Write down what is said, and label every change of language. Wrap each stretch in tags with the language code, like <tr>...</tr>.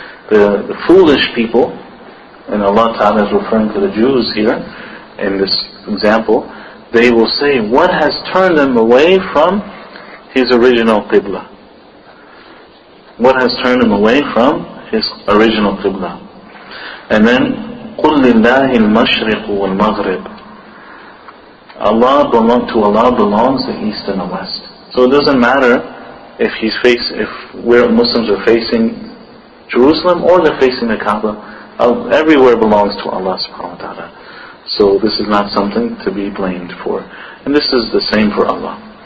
<en>The foolish people, and Allah Ta'ala is referring to the Jews here in this example, they will say, what has turned them away from His original Qibla? What has turned them away from His original Qibla? And then,</en> <ar>قُلْ لِلَّهِ الْمَشْرِقُ وَالْمَغْرِبُ.</ar> <en>Allah belongs the East and the West. So it doesn't matter if we're Muslims are facing Jerusalem or they're facing the Kaaba, everywhere belongs to Allah subhanahu wa ta'ala. So this is not something to be blamed for. And this is the same for Allah.</en>